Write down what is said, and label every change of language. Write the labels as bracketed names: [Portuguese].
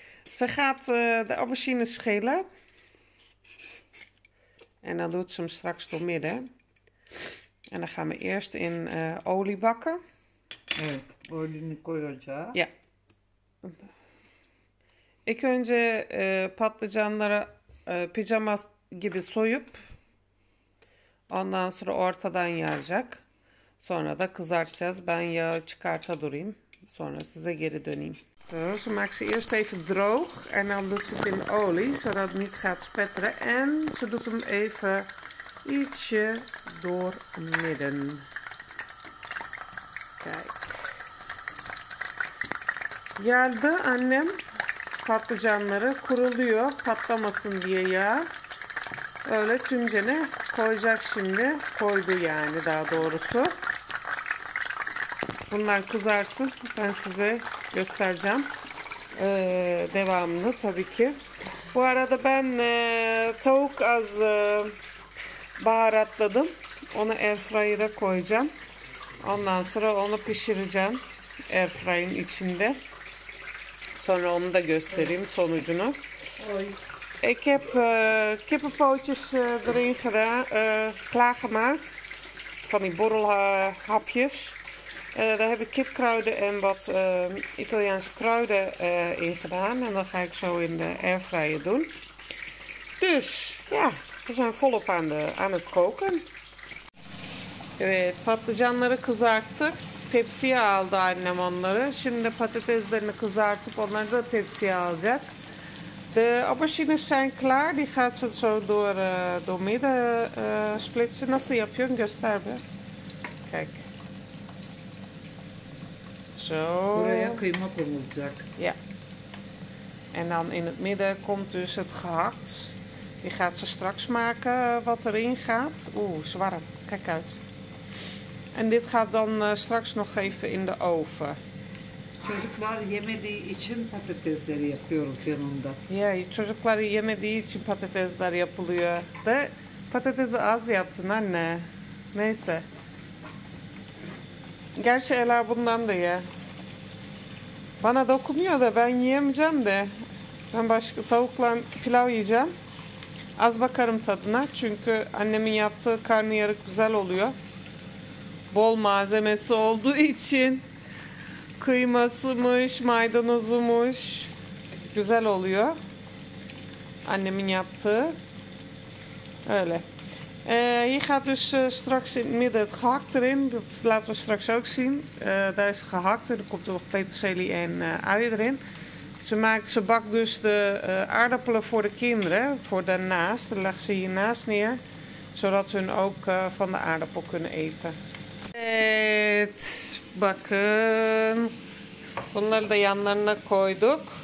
[Dutch] Ze gaat de aubergine schillen. En dan doet ze hem straks door midden. En dan gaan we eerst in olie bakken. [Turkish] Olie koyacağız. [Dutch] Ja. [Turkish] İlk önce patlıcanları pijama gibi soyup ondan sonra ortadan yaracak. Sonra da kızartacağız. Ben yağı çıkarta durayım. Sonra size geri döneyim. [Dutch] Zo, ze maakt ze eerst even droog en dan doet ze het in olie, zodat het niet gaat spetteren. En ze doet hem even ietsje door midden. Kijk. [Turkish] Yerde annem patlıcanları kuruluyor, patlamasın diye ya. Öyle tüncene koyacak şimdi. Koydu yani daha doğrusu. Bunlar kızarsın. Ben size göstereceğim. Devamını tabii ki. Bu arada ben tavuk az baharatladım. Onu airfryer'a koyacağım. Ondan sonra onu pişireceğim. Airfryer'in içinde. Sonra onu da göstereyim sonucunu. [Dutch] Ik heb kippenpootjes erin gedaan. Klaargemaakt. Van die borrelhapjes. Daar heb ik kipkruiden en wat Italiaanse kruiden in gedaan. En dat ga ik zo in de airfryer doen. Dus ja, we zijn volop aan het koken. [Turkish] Evet, patlıcanları kızarttık. Tepsiye aldı annem onları. Şimdi patateslerini kızartıp onları da tepsiye alacak. [Dutch] De aubergine zijn klaar. Die gaat ze zo door midden splitsen. [Turkish] Nasıl yapıyorsun? Göster bir. [Dutch] Kijk. Zo. [Turkish] Buraya kıyma konulacak. [Dutch] Ja. En dan in het midden komt dus het gehakt. Die gaat ze straks maken wat erin gaat. Oeh, is warm. Kijk uit. En dit gaat dan straks nog even in de oven. [Turkish] Çocuklar yemediği için patatesleri yapıyoruz yanında. Ya, çocuklar yemediği için patatesler yapılıyor. De, patatesi az yaptın anne. Neyse. Gerçi Ela bundan da ye. Bana dokunmuyor da ben yiyemeyeceğim de. Ben başka tavukla pilav yiyeceğim. Az bakarım tadına. Çünkü annemin yaptığı karnıyarık güzel oluyor. Bol malzemesi olduğu için. Kıymasımış, maydanozumuş. Güzel oluyor. Annemin yaptığı. Öyle. [Dutch] Hier gaat dus straks in het midden het gehakt erin. Dat laten we straks ook zien. Daar is gehakt en er komt nog peterselie en uien erin. Ze bakt dus de aardappelen voor de kinderen, voor daarnaast. Dan legt ze hiernaast neer, zodat ze ook van de aardappel kunnen eten. [Turkish] Evet, bakın. Bunları da yanlarına koyduk.